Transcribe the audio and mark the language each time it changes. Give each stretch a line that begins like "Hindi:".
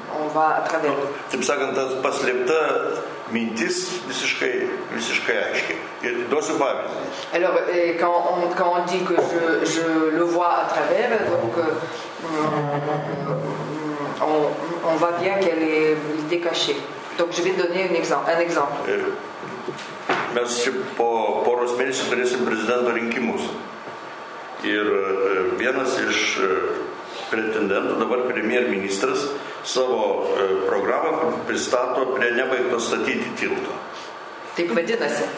Lithuanian: Taip sakant, tas paslėpta mintis visiškai, visiškai aiškiai. Ir duosiu pavyzdį.
French: Alors, quand on dit que je le vois à travers, donc on voit bien qu'elle est cachée. Donc je vais donner un exemple.
Lithuanian: Mes po poros mėnesių turėsim prezidento rinkimus. Ir vienas iš pretendentų, dabar premier ministras, savo programą pristato prie nebaigto statyti tilto. Taip vadinasi?